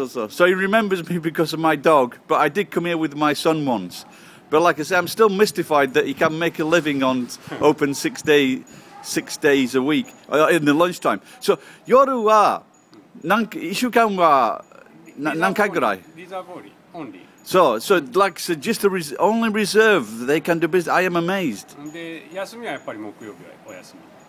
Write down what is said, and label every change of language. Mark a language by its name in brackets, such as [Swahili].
[English] So he remembers me because of my dog. But I did come here with my son once. But like I say, I'm still mystified that he can make a living on open six days a week in the lunchtime. [Japanese] So, 夜は何一週間は何回ぐらい? [English] Reserve only. So like so just a only reserve they can do business. I am amazed. [Japanese] で休みはやっぱり木曜日お休み。